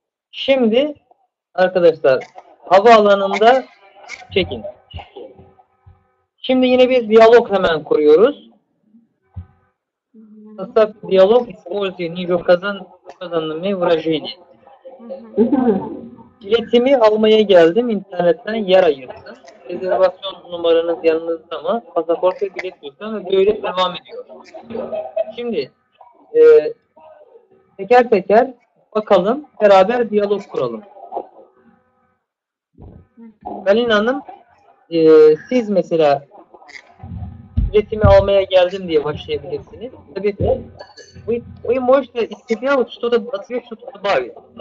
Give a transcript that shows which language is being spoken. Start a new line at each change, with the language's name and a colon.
Turkish: Şimdi arkadaşlar, havaalanında check-in. Şimdi yine bir diyalog hemen kuruyoruz. Nasıl diyalog?
Russian: Используйте неизвестное выражение.
Turkish: Biletimi almaya geldim internetten yer ayırsın. Rezervasyon numaranız yanınızda mı? Pasaport ve bilet lütfen. Böyle devam ediyor. Şimdi teker teker bakalım, beraber diyalog kuralım. Galina Hanım, siz mesela biletimi almaya geldim diye başlayabilirsiniz. Tabii
Russian: вы можете сделать что-то ответ что-то добавить.